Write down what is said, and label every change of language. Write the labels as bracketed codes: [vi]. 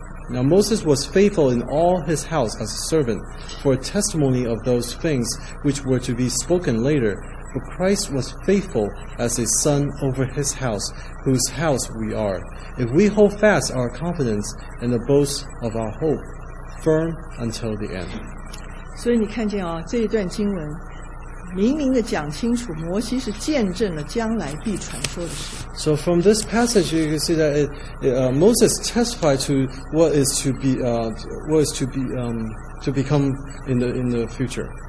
[en] Now Moses was faithful in all his house as a servant, for a testimony of those things which were to be spoken later. For Christ was faithful as a son over his house, whose house we are, if we hold fast our confidence and the boast of our hope, firm until the end. [zh] 所以你看见啊，这一段经文明明的讲清楚，摩西是见证了将来必传说的事。 [en] So from this passage, you can see that Moses testified to what is to be, to become in the future.